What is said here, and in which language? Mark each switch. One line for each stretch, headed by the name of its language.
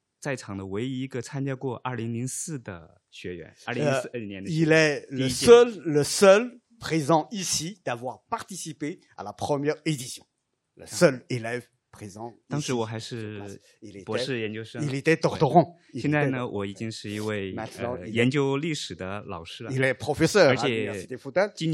Chinese: 在场的唯一一个参加过 2004的学员 2004年的学员，
French: il est le seul présent ici d'avoir participé à la première édition. Le seul élève présent.
Chinese: 当时我还是博士研究生。Il
French: était doctorant.
Chinese: 现在呢，我已经是一位研究历史的老师了。Il
French: est professeur à l'université Fudan.